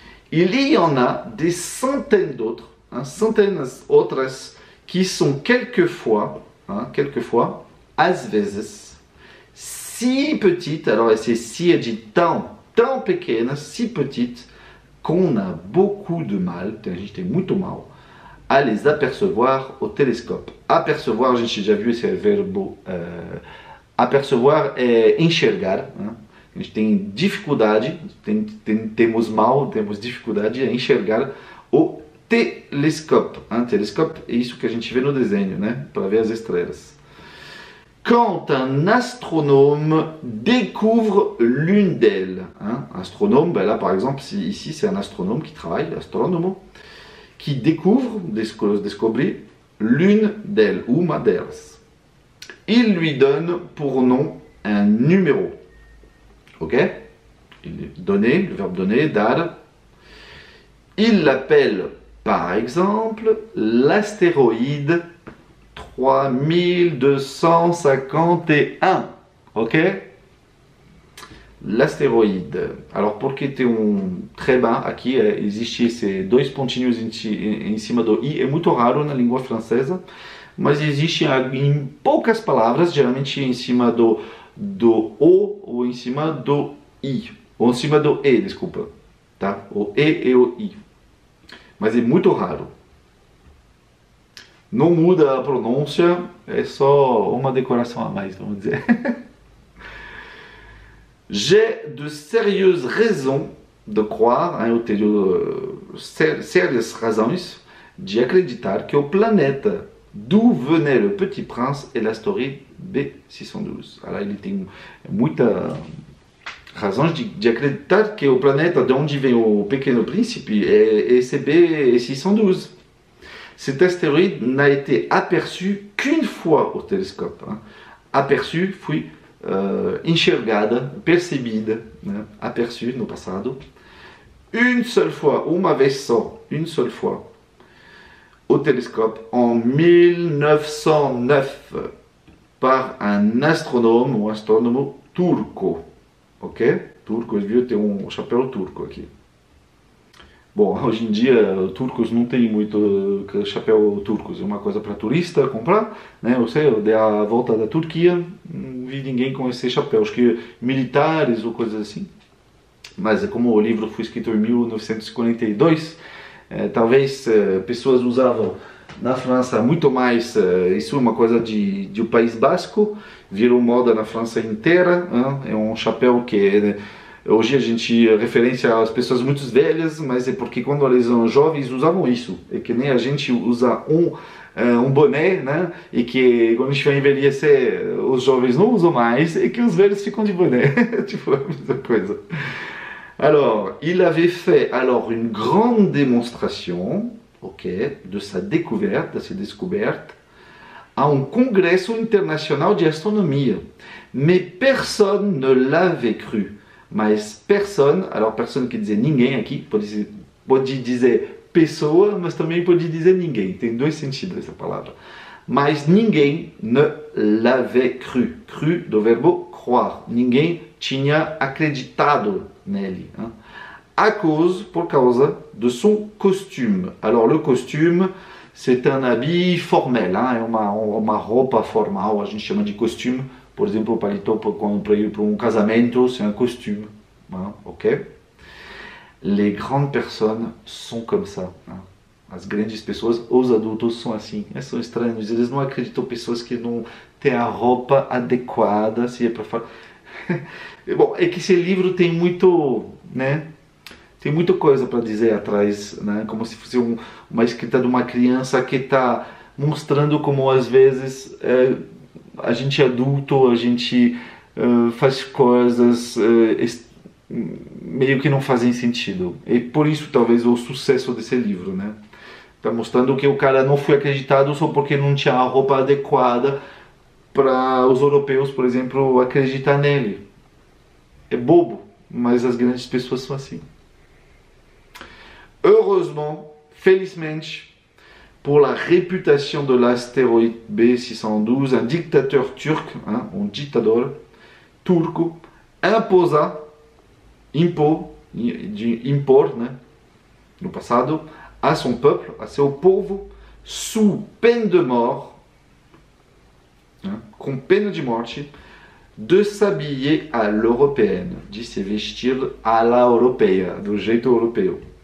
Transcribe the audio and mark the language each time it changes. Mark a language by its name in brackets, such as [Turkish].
[French] Il y en a des centaines d'autres, centaines outras, qui sont quelquefois, quelquefois, [Portuguese] às vezes, [French] si petite, alors c'est si elle dit [Portuguese] tant pequena, [French] si petite, qu'on a beaucoup de mal, [Portuguese] a gente tem muito mal, [French] à les apercevoir au télescope. [Portuguese] Apercevoir, a gente já viu esse verbo, apercevoir é enxergar, a gente tem dificuldade, temos mal, temos dificuldade a enxergar o télescope. Télescope é isso que a gente vê no desenho, né, para ver as estrelas. [French] Quand un astronome découvre l'une d'elles, astronome, ben là par exemple, ici c'est un astronome qui travaille, astronomo, qui découvre, descobrit l'une d'elles, [Portuguese] uma delas. [French] Il lui donne pour nom un numéro. Ok? Donner, le verbe donner, dar. Il l'appelle, par exemple, l'astéroïde 3251, ok? L'astéroïde. [Portuguese] Alors, por que tem [French] très bas [Portuguese] aqui, existe esses dois pontinhos em cima do i, é muito raro na língua francesa, mas existe em poucas palavras, geralmente em cima do O ou em cima do I. Ou em cima do E, desculpa. Tá? O E e o I. Mas é muito raro. Não muda a pronúncia, é só uma decoração a mais, vamos dizer. [French] J'ai de sérieuses raisons de croire, hein, [Portuguese] eu tenho sérias razões de acreditar que o planeta [French] d'où venait le petit prince est la story B612. [Portuguese] Alors, il tem muita razão de acreditar que o planeta de onde vem o pequeno príncipe é B612. [French] Cet astéroïde n'a été aperçu qu'une fois au télescope. Hein. [Portuguese] Aperçu, foi enxergada, percebida, né? Aperçu no passado. [French] Une seule fois, [Portuguese] uma vez só, [French] une seule fois, au télescope, en 1909, par un astronome ou astrônomo turco. [Portuguese] Ok? Turco, viu? Tem um chapéu turco aqui. Bom, hoje em dia, turcos não tem muito chapéu turcos. É uma coisa para turista comprar, né? Eu sei, eu dei a volta da Turquia, não vi ninguém com esse chapéu. Acho que militares ou coisas assim. Mas como o livro foi escrito em 1942, talvez pessoas usavam na França muito mais. Isso é uma coisa de um país basco, virou moda na França inteira. Hein? É um chapéu que... Hoje a gente referência às pessoas muito velhas, mas é porque quando elas eram jovens usavam isso. É que nem a gente usa um boné, né? E que quando a gente vai envelhecer, os jovens não usam mais, e que os velhos ficam de boné. Tipo, a mesma coisa. [French] Alors, il avait fait alors une grande démonstration, ok, de sa découverte, à un [Portuguese] congresso internacional de astronomia. [French] Mais personne ne l'avait cru. [Portuguese] Mas personne, alors personne quer dizer ninguém aqui, pode dizer pessoa, mas também pode dizer ninguém, tem dois sentidos essa palavra. Mas ninguém [French] ne l'avait cru, [Portuguese] cru do verbo croire, ninguém tinha acreditado nele. [French] Hein? A cause, [Portuguese] por causa [French] de son costume, alors le costume, c'est un habit formel, hein? [Portuguese] É uma roupa formal, a gente chama de costume. Por exemplo, o paletó quando ir para um casamento, [French] c'est un costume, [Portuguese] hein? Ok? [French] Les grandes personnes sont comme ça. Hein? [Portuguese] As grandes pessoas, os adultos são assim. É, são estranhos, eles não acreditam pessoas que não têm a roupa adequada, se é para falar. Bom, é que esse livro tem muito, né? Tem muita coisa para dizer atrás, né? Como se fosse uma escrita de uma criança que está mostrando como às vezes a gente é adulto, a gente faz coisas meio que não fazem sentido. E por isso, talvez, o sucesso desse livro, né? Tá mostrando que o cara não foi acreditado só porque não tinha a roupa adequada para os europeus, por exemplo, acreditar nele. É bobo, mas as grandes pessoas são assim. [French] Heureusement, felizmente, pour la réputation de l'astéroïde B612, un dictateur turc, hein, un dictateur turc, [Portuguese] impôs, no passado, [French] à son peuple, [Portuguese] à seu povo, [French] sous peine de mort, hein, [Portuguese] com pena de morte, [French] de s'habiller à l'européenne, [Portuguese] de se vestir à la europeia, do jeito europeu.